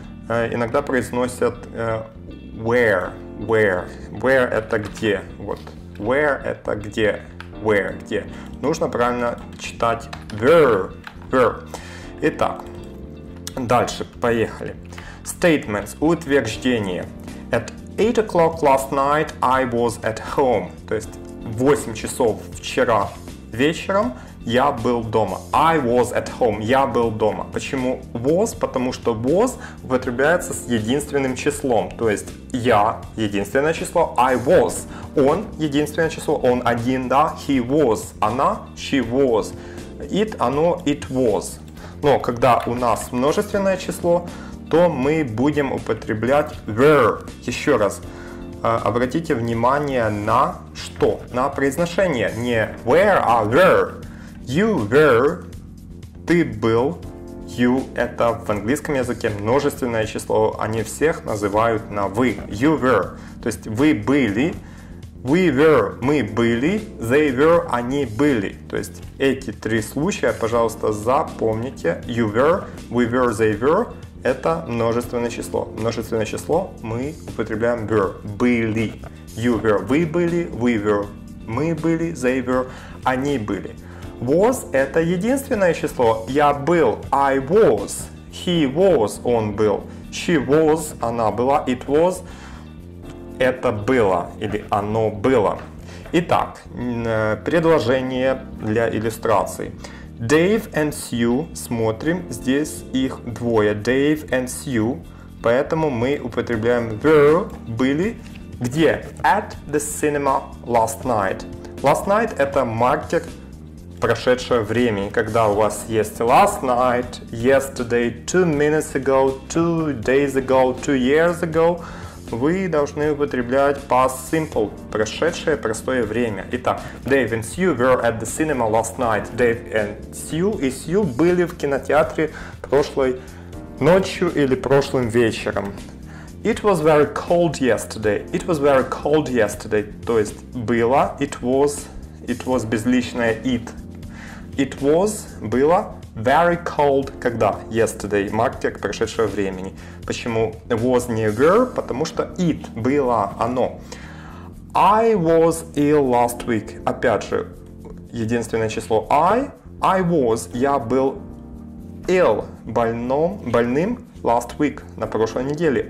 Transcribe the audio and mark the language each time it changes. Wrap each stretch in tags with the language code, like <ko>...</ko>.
<ru>Иногда произносят where это где, вот where это где, where где. Нужно правильно читать were. Итак, дальше поехали. Statements, утверждение.</ru> <en>At 8 o'clock last night I was at home.</en> <ru>То есть 8 часов вчера вечером я был дома.</ru> <en>I was at home.</en> <ru>Я был дома. Почему was? Потому что was употребляется с единственным числом. То есть я единственное число.</ru> <en>I was.</en> <ru>Он единственное число. Он один, да?</ru> <en>He was.</en> <ru>Она.</ru> <en>She was.</en> <ru>It. Оно.</ru> <en>It was.</en> <ru>Но когда у нас множественное число, то мы будем употреблять were. Еще раз. Обратите внимание на что? На произношение. Не where, а were.</ru> <en>You were,</en> <ru>ты был, you это в английском языке множественное число, они всех называют на вы.</ru> <en>You were,</en> <ru>то есть вы были,</ru> <en>we were,</en> <ru>мы были,</ru> <en>they were,</en> <ru>они были. То есть эти три случая, пожалуйста, запомните. You were, we were, they were, это множественное число. Множественное число мы употребляем were, были.</ru> <en>You were,</en> <ru>вы были,</ru> <en>we were,</en> <ru>мы были,</ru> <en>they were,</en> <ru>они были. Was – это единственное число. Я был –</ru> <en>I was. He was</en> <ru>– он был.</ru> <en>She was</en> <ru>– она была.</ru> <en>It was</en> <ru>– это было или оно было. Итак, предложение для иллюстрации. Dave and Sue – смотрим, здесь их двое. Dave and Sue – поэтому мы употребляем were – были. Где?</ru> <en>At the cinema last night.</en> <ru>Last night – это маркер прошедшее время, когда у вас есть last night, yesterday, 2 minutes ago, 2 days ago, 2 years ago, вы должны употреблять past simple, прошедшее простое время.</ru> <en>Итак, Dave and Sue were at the cinema last night.</en> <ru>Dave and Sue и Sue были в кинотеатре прошлой ночью или прошлым вечером.</ru> <en>It was very cold yesterday. It was very cold yesterday.</en> <ru>То есть было, it was безличное it.</ru> <en>It was,</en> <ru>было,</ru> <en>very cold,</en> <ru>когда? Yesterday, маркер прошедшего времени. Почему was не were? Потому что it, было, оно.</ru> <en>I was ill last week.</en> <ru>Опять же, единственное число</ru> <en>I was,</en> <ru>я был ill, больным last week, на прошлой неделе.</ru>